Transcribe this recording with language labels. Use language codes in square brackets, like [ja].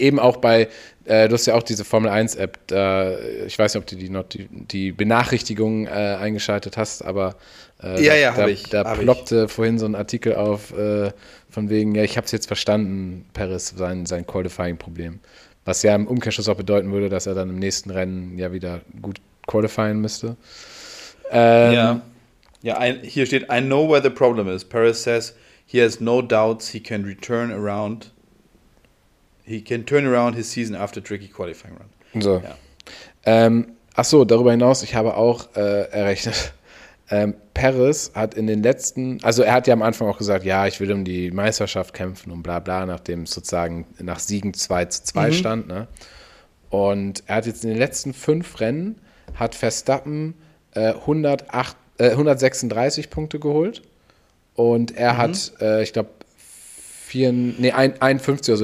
[de] Eben auch bei, du hast ja auch diese Formel-1-App, ich weiß nicht, ob du die Benachrichtigung eingeschaltet hast, aber ploppte vorhin so ein Artikel auf, von wegen, ja, ich habe es jetzt verstanden, Perez, sein Qualifying-Problem. Was ja im Umkehrschluss auch bedeuten würde, dass er dann im nächsten Rennen ja wieder gut qualifizieren müsste. Hier steht, [en] I know where the problem is. Perez says, he has no doubts he can return around. He can turn around his season after tricky qualifying run. [de] So. Ja. Ach so, darüber hinaus, ich habe auch errechnet, Perez hat in den letzten, also er hat ja am Anfang auch gesagt, ja, ich will um die Meisterschaft kämpfen und bla bla, nachdem es sozusagen nach Siegen 2-2 stand. Ne? Und er hat jetzt in den letzten 5 Rennen hat Verstappen 136 Punkte geholt und er hat, ich glaube, 51 oder so.